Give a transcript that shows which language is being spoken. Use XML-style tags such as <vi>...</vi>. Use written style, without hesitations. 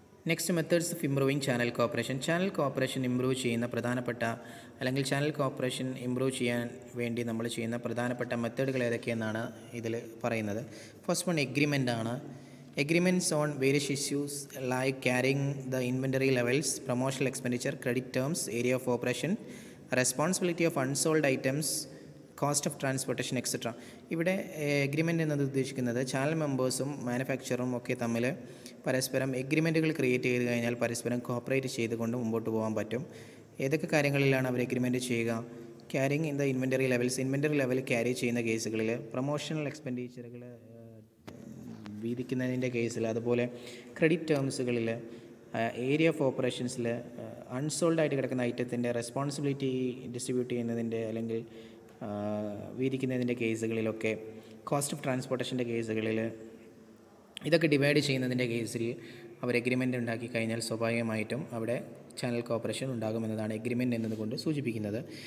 <en>Next methods of improving channel cooperation.</en> <ml>Channel cooperation improve ചെയ്യുന്ന പ്രധാനപ്പെട്ട അല്ലെങ്കിൽ ചാനൽ കോഓപ്പറേഷൻ ഇംപ്രൂവ് ചെയ്യാൻ വേണ്ടി നമ്മൾ ചെയ്യുന്ന പ്രധാനപ്പെട്ട മെത്തേഡുകൾ ഏതൊക്കെയെന്നാണ് ഇതിൽ പറയുന്നത്. ഫസ്റ്റ് വൺ എഗ്രിമെൻ്റ് ആണ്.</ml> <en>Agreements on various issues like carrying the inventory levels, promotional expenditure, credit terms, area of operation, responsibility of unsold items, cost of transportation, etc.</en> <ml>ഇവിടെ എഗ്രിമെൻ്റ് എന്നത് ഉദ്ദേശിക്കുന്നത് ചാനൽ മെമ്പേഴ്സും മാനുഫാക്ചറും ഒക്കെ തമ്മിൽ പരസ്പരം എഗ്രിമെൻറ്റുകൾ ക്രിയേറ്റ് ചെയ്ത് കഴിഞ്ഞാൽ പരസ്പരം കോപ്പറേറ്റ് ചെയ്തുകൊണ്ട് മുമ്പോട്ട് പോകാൻ പറ്റും. ഏതൊക്കെ കാര്യങ്ങളിലാണ് അവർ എഗ്രിമെൻ്റ് ചെയ്യുക?</ml> <en>carrying in the inventory levels,</en> <ml>inventory level carry ചെയ്യുന്ന കേസുകളിൽ, പ്രൊമോഷണൽ എക്സ്പെൻഡിച്ചറുകൾ വീതിക്കുന്നതിൻ്റെ കേസിൽ, അതുപോലെ ക്രെഡിറ്റ് ടേംസുകളിൽ, ഏരിയ ഓഫ് ഓപ്പറേഷൻസിൽ അൺസോൾഡ് ആയിട്ട് കിടക്കുന്ന ഐറ്റത്തിൻ്റെ റെസ്പോൺസിബിലിറ്റി ഡിസ്ട്രിബ്യൂട്ട് ചെയ്യുന്നതിൻ്റെ അല്ലെങ്കിൽ വീതിക്കുന്നതിൻ്റെ കേസുകളിലൊക്കെ, കോസ്റ്റ് ഓഫ് ട്രാൻസ്പോർട്ടേഷൻ്റെ കേസുകളിൽ, ഇതൊക്കെ ഡിവൈഡ് ചെയ്യുന്നതിൻ്റെ കേസിൽ അവർ എഗ്രിമെൻ്റ് ഉണ്ടാക്കി കഴിഞ്ഞാൽ സ്വാഭാവികമായിട്ടും അവിടെ ചാനൽ കോപ്പറേഷൻ ഉണ്ടാകുമെന്നതാണ് എഗ്രിമെൻ്റ് എന്നതുകൊണ്ട് സൂചിപ്പിക്കുന്നത്.</ml>